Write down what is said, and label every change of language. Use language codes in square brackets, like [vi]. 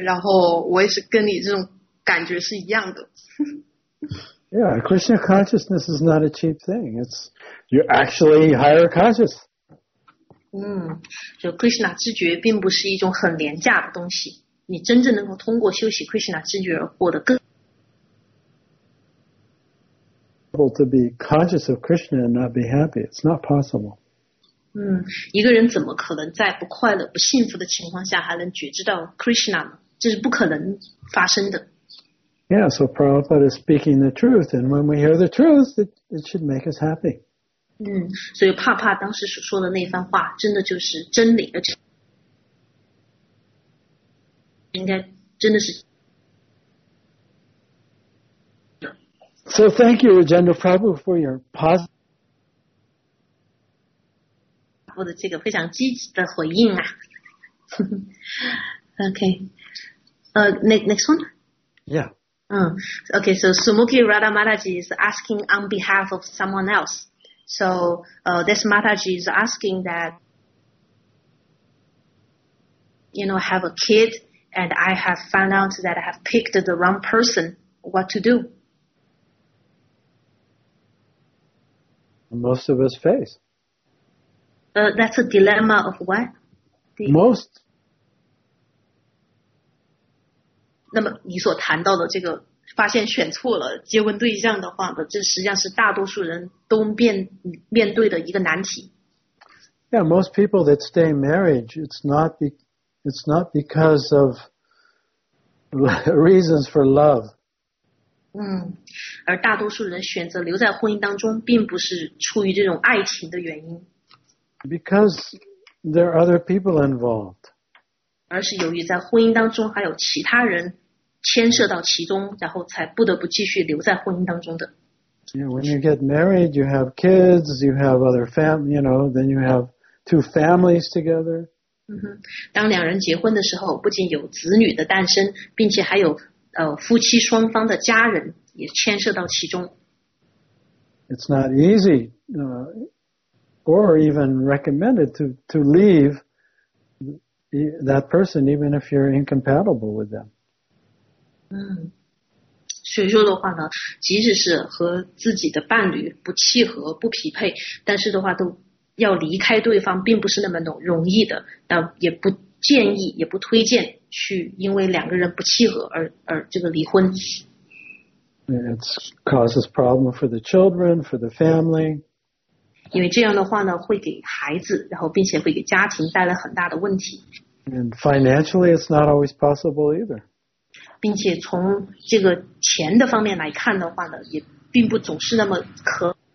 [zh] 然后我也是跟你这种感觉是一样的。 [en] Yeah, Krishna consciousness is not a cheap thing. It's you're actually higher conscious. [zh] 就 Krishna 知觉并不是一种很廉价的东西，你真正能够通过修习 Krishna 知觉而获得更。 [en] To be conscious of Krishna and not be happy, it's not possible. [zh] 一个人怎么可能在不快乐、不幸福的情况下还能觉知到 Krishna 呢？这是不可能发生的。 [en] Yeah, so Prabhupada is speaking the truth, and when we hear the truth, it should make us happy. [zh] 所以帕帕当时所说的那番话真的就是真理，而且应该真的是。 [en] So thank you, Rajendra Prabhu, for your positive. [zh] 我的这个非常积极的回应啊。 [en] okay. Next one? Yeah. Okay, so Sumukhi Radha Mataji is asking on behalf of someone else. So, this Mataji is asking that, you know, I have a kid and I have found out that I have picked the wrong person. What to do? Most of us face. That's a dilemma of what? Most. [zh] 那么你所谈到的这个发现选错了结婚对象的话，这实际上是大多数人都面对的一个难题。 [en] Yeah, most people that stay married, it's not because of reasons for love. [zh] 而大多数人选择留在婚姻当中，并不是出于这种爱情的原因。 [en] Because there are other people involved. [zh] 而是由于在婚姻当中还有其他人牵涉到其中，然后才不得不继续留在婚姻当中的。 [en] Yeah, when you get married, you have kids, you have other family, you know, then you have two families together. [zh] 当两人结婚的时候，不仅有子女的诞生，并且还有夫妻双方的家人也牵涉到其中。 [en] It's not easy, or even recommended to leave that person, even if you're incompatible with them. [zh] 所以说的话呢，即使是和自己的伴侣不契合、不匹配，但是的话都要离开对方，并不是那么容易的。但也不建议，也不推荐去因为两个人不契合而这个离婚。 [en] It causes problem for the children, for the family. [zh] 因为这样的话呢，会给孩子，然后并且会给家庭带来很大的问题。 [en] And financially, it's not always possible either. [zh] 并且从这个钱的方面来看的话呢，也并不总是那么可。